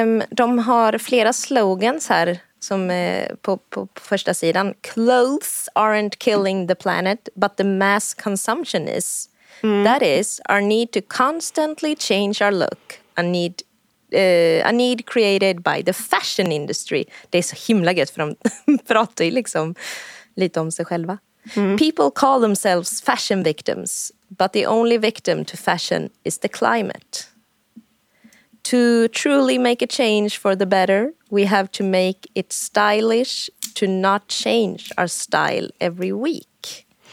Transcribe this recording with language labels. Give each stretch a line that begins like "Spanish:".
Swedish: De har flera slogans här som på första sidan.
English: Clothes aren't killing the planet, but the mass consumption is. Mm. That is, our need to constantly change our look. A need created by the fashion industry.
Swedish: Det är så himla gött, för de pratar ju liksom lite om sig själva. Mm.
English: People call themselves fashion victims, but the only victim to fashion is the climate. To truly make a change for the better, we have to make it stylish to not change our style every week.